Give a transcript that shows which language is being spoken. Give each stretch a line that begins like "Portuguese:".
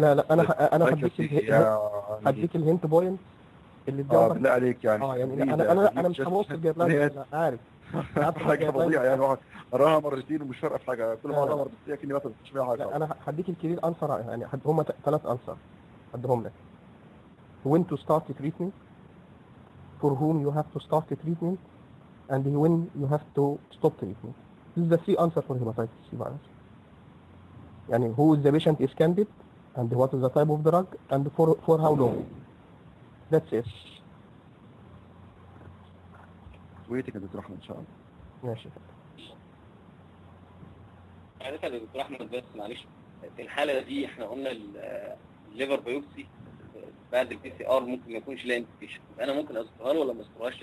Arabic: لا أنا حديك الهنت بوينت اللي اتجاوبت. بالله عليك يعني. أنا مش هبوظ الجايدلاينز عارف. حاجة فظيعة يعني واحد قراها مرتين ومش فارقة في حاجة، كل مرة مرتين لكني ما فهمتش فيها حاجة. أنا هديك الكلير أنسر يعني هم ثلاث أنسر هديهم لك.
English: When to start treatment, for whom you have to start treatment, and when you have to stop treatment. This is the three answers for hepatitis C virus. يعني who is the patient is candid, and what is the type of drug, and for how long. That's it.
Arabic: ويتك يا دكتور احمد ان شاء الله. ماشي. عادة يا دكتور احمد بس معلش في الحالة دي احنا قلنا الليفر بايوبسي بعد البي سي ار ممكن ما يكونش ليها انتيشن، انا ممكن اذكرها له ولا ما اذكرهاش